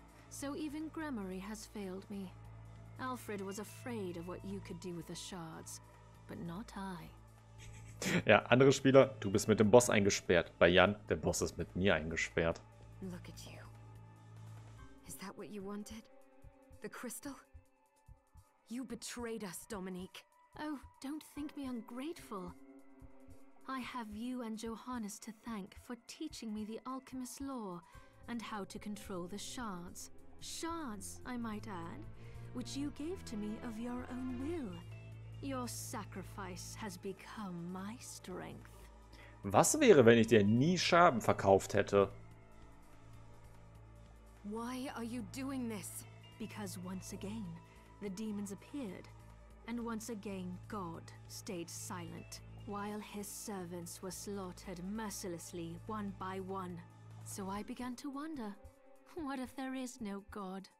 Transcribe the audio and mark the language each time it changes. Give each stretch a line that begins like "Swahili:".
English: So even Grammarie has failed me. Alfred was afraid of what you could do with the shards, but not I.
German: Ja, andere Spieler, du bist mit dem Boss eingesperrt. Bei Jan, der Boss ist mit mir eingesperrt.
English: Look at you. Is that what you wanted? The crystal? You betrayed us, Dominique. Oh, don't think me ungrateful. I have you and Johannes to thank for teaching me the alchemist's lore. And how to control the shards. Shards, I might add, which you gave to me of your own will. Your sacrifice has become my strength.
German: Was wäre, wenn ich dir nie Schaben verkauft hätte?
English: Why are you doing this? Because once again, the demons appeared. And once again, God stayed silent, while his servants were slaughtered mercilessly, one by one. So I began to wonder, what if there is no God?